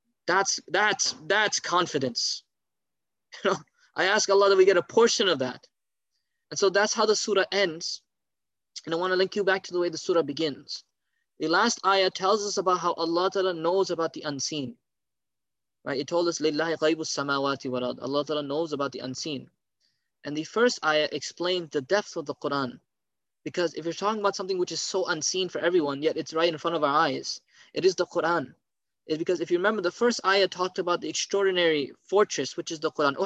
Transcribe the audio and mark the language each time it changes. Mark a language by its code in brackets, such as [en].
[en] That's confidence. You know, I ask Allah that we get a portion of that. And so that's how the surah ends. And I want to link you back to the way the surah begins. The last ayah tells us about how Allah Ta'ala knows about the unseen. Right? It told us, [ar] لِلَّهِ غَيْبُ السَّمَاوَاتِ وَرَضِ. [en] Allah Ta'ala knows about the unseen. And the first ayah explained the depth of the Quran. Because if you're talking about something which is so unseen for everyone, yet it's right in front of our eyes, it is the Quran. It's because if you remember, the first ayah talked about the extraordinary fortress, which is the Quran.